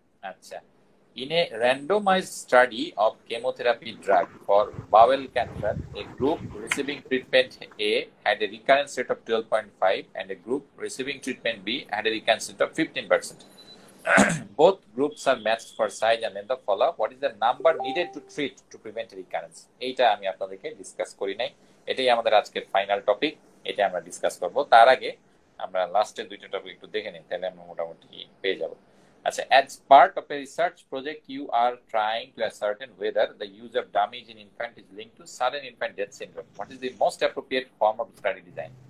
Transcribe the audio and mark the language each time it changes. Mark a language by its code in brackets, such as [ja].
[en] আচ্ছা, in a randomized study of chemotherapy drug for bowel cancer, a group receiving treatment A had a recurrence rate of 12.5 and a group receiving treatment B had a recurrence rate of 15%। Both groups are matched for size and length of follow up. What is the number needed to treat to prevent recurrence? [bn] এইটা আমি আপনাদেরকে discuss করি নাই, এটাই আমাদের আজকের final topic, এটা আমরা ডিসকাস করব। তার আগে আমরা লাস্টের দুইটা টপিক একটু দেখে নিই, তাহলে আমরা মোটামুটি পেয়ে যাব। [en] আচ্ছা, as part of a research project you are trying to ascertain whether the use of dummies in infant is linked to sudden infant death syndrome, what is the most appropriate form of study design?